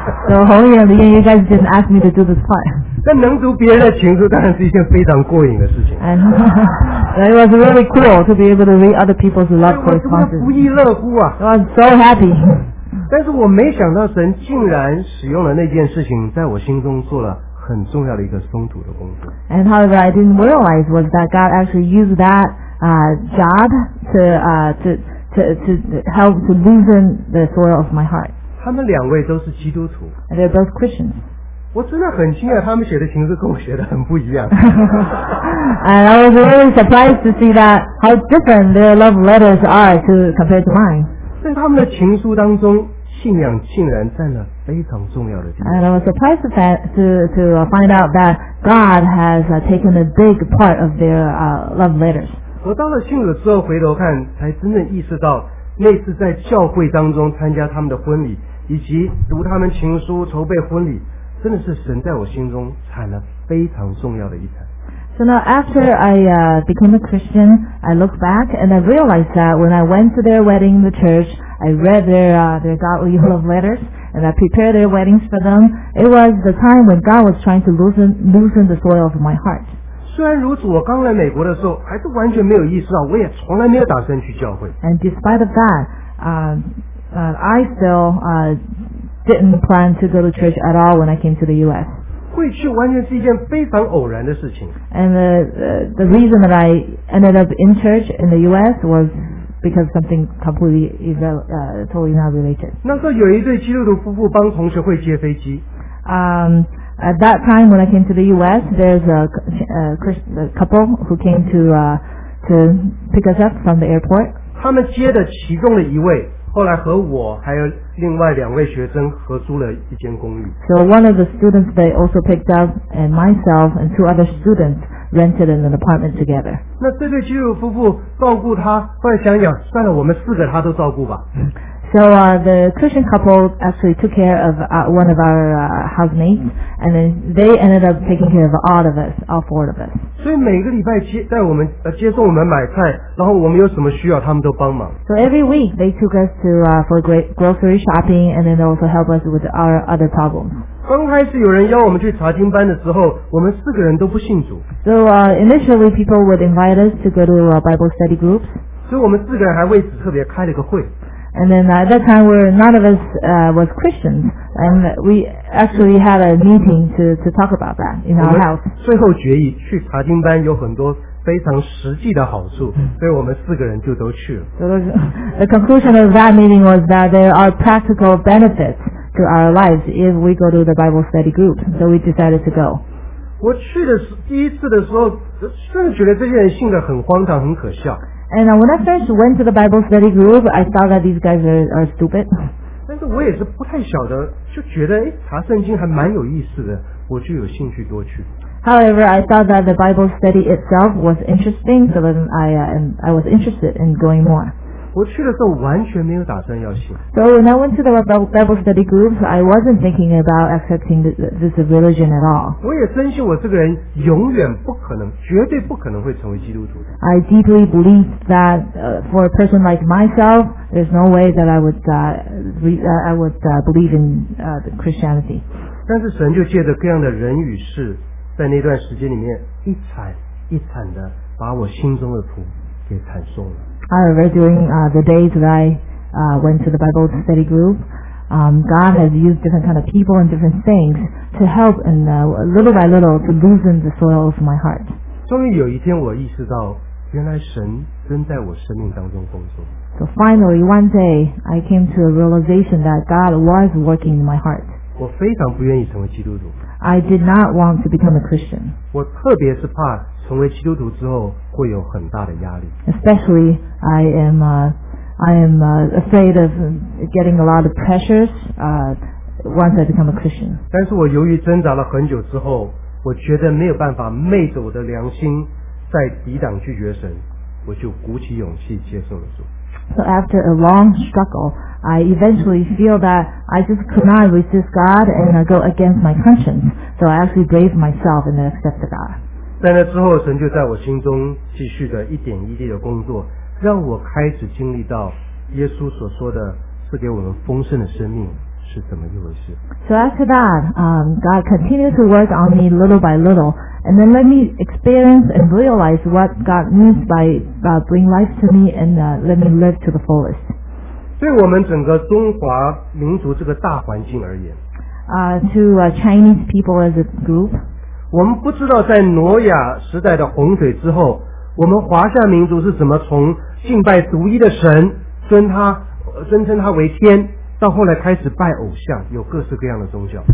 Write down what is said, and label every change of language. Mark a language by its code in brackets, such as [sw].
[en] So 红衣跟李燕 you guys didn't ask me to do this part. [zh] 但能读别人的情书当然是一件非常过瘾的事情。 [en] And it was really cool to be able to read other people's love correspondences. [zh] 我不亦乐乎啊。 [en] I was so happy. [zh] 但是我没想到神竟然使用了那件事情在我心中做了很重要的一个松土的工作。 [en] And however, I didn't realize was that God actually used that job to help to loosen the soil of my heart. [zh] 他们两位都是基督徒。 [en] And they're both Christians. [zh] 我真的很惊讶，他们写的情书跟我写的很不一样。 [en] And I was really surprised to see that how different their love letters are compared to mine. [zh] 在他们的情书当中，信仰竟然占了非常重要的地方。 [en] And I was surprised to find out that God has taken a big part of their love letters. [zh] 我到了信主之后回头看，才真正意识到那次在教会当中参加他们的婚礼，以及读他们情书筹备婚礼，真的是神在我心中产了非常重要的一产。 [en] So now after I became a Christian, I looked back and I realized that when I went to their wedding in the church, I read their godly love letters and I prepared their weddings for them. It was the time when God was trying to loosen the soil of my heart. [zh] 虽然如此，我刚来美国的时候还是完全没有意识到，我也从来没有打算去教会。 [en] And despite of that, I still didn't plan to go to church at all when I came to the U.S. [zh] 会去完全是一件非常偶然的事情。 [en] And the reason that I ended up in church in the U.S. was because something completely is totally not related. [zh] 那时候有一对基督徒夫妇帮同学会接飞机。 [en] At that time when I came to the U.S., there's a couple who came to pick us up from the airport. [zh] 他们接的其中的一位后来和我还有另外两位学生合租了一间公寓。 [en] So one of the students they also picked up and myself and two other students rented an apartment together. [zh] 那这对基督徒夫妇照顾他，后来想想，算了，我们四个他都照顾吧。 [en] So the Christian couple actually took care of one of our housemates, and then they ended up taking care of all of us, all four of us. [zh] 所以每个礼拜接送我们买菜，然后我们有什么需要，他们都帮忙。 [en] So every week they took us to for grocery shopping, and then also help us with our other problems. [zh] 刚开始有人邀我们去查经班的时候，我们四个人都不信主。 [en] So initially people would invite us to go to a Bible study groups. [zh] 所以我们四个人还为此特别开了个会。 [en] And then at that time we're none of us was Christians, and we actually had a meeting to talk about that in our house. [zh] 最后决议去查经班有很多非常实际的好处，所以我们四个人就都去了。 [en] So the conclusion of that meeting was that there are practical benefits. To our lives, if we go to the Bible study group, so we decided to go. [zh] 我去的第一次的时候，真的觉得这些人信的很荒唐，很可笑。 [en] And when I first went to the Bible study group, I thought that these guys are stupid. [zh] 但是我也是不太晓得，就觉得查圣经还蛮有意思的，我就有兴趣多去。 [en] However, I thought that the Bible study itself was interesting, so then I was interested in going more. [zh] 我去的时候完全没有打算要信。 [en] So when I went to the Bible study groups, I wasn't thinking about accepting this religion at all. [zh] 我也深信我这个人永远不可能，绝对不可能会成为基督徒。 [en] I deeply believed that for a person like myself, there's no way that I would believe in the Christianity. [zh] 但是神就借着各样的人与事，在那段时间里面一铲一铲的把我心中的土给铲松了。 [en] However, during the days that I went to the Bible study group, God has used different kind of people and different things to help and little by little to loosen the soil of my heart. [zh] 终于有一天我意识到原来神正在我生命当中工作。 [en] So finally, one day, I came to a realization that God was working in my heart. [zh] 我非常不愿意成为基督徒。 [en] I did not want to become a Christian. [zh] 我特别是怕成为基督徒之后会有很大的压力。 [en] Especially, I am afraid of getting a lot of pressures once I become a Christian. [zh] 但是我由于挣扎了很久之后，我觉得没有办法昧着我的良心再抵挡拒绝神，我就鼓起勇气接受了主。 [en] So after a long struggle, I eventually feel that I just could not resist God and go against my conscience. So I actually braved myself and accepted God. [zh] 在那之后，神就在我心中继续的一点一滴的工作，让我开始经历到耶稣所说的赐给我们丰盛的生命是怎么一回事。 [en] So after that, God continued to work on me little by little, and then let me experience and realize what God means by bring life to me and let me live to the fullest. [zh] 对我们整个中华民族这个大环境而言 [en] ，to Chinese people as a group. [zh] 我们不知道在挪亚时代的洪水之后，我们华夏民族是怎么从敬拜独一的神，尊称他为天，到后来开始拜偶像，有各式各样的宗教。